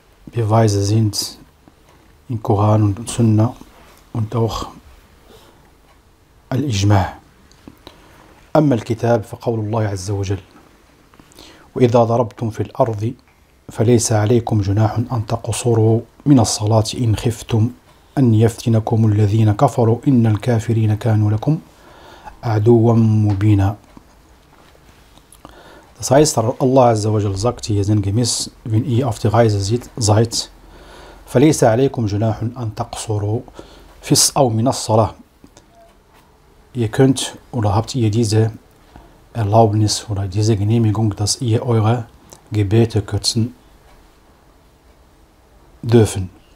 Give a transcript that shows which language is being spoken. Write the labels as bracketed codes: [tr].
[de] Beweise sind in Koran und Sunna und auch الإجماع. [ar] أما الكتاب فقول الله عز وجل. وإذا ضربتم في الأرض فليس عليكم جناح أن تقصروا من الصلاة إن خفتم أن يفتنكم الذين كفروا إن الكافرين كانوا لكم عدوا مبينا. [de] Das heißt, Allah Azza wa Jal sagt hier sinngemäß, wenn ihr auf die Reise seid, [ar] فليس عليكم جناح أن تقصروا في أو من الصلاة. [de] Ihr könnt oder habt ihr diese Erlaubnis oder diese Genehmigung, dass ihr eure Gebete kürzen dürfen.